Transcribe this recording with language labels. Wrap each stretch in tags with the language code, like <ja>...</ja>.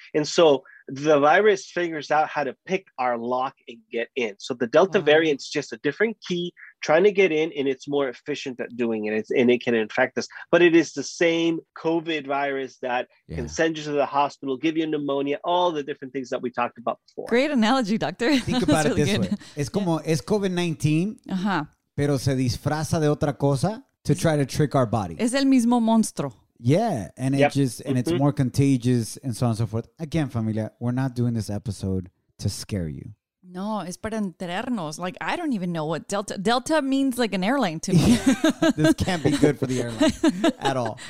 <en>And so the virus figures out how to pick our lock and get in. So the Delta variant is just a different key trying to get in, and it's more efficient at doing it. And it can infect us. But it is the same COVID virus that can send you to the hospital, give you pneumonia, all the different things that we talked about before. Great analogy, doctor. Think about it this way.</en> <es>Es como, es COVID-19, pero se disfraza de otra cosa.</es> <en>To try to trick our body.</en> <es>Es el mismo monstruo.</es> <en>Yeah. And it just, and it's more contagious and so on and so forth. Again, familia, we're not doing this episode to scare you.</en> <es>No, es para enterarnos.</es> <en>Like, I don't even know what Delta. Delta means like an airline to me. This can't be good for the airline at all.</en>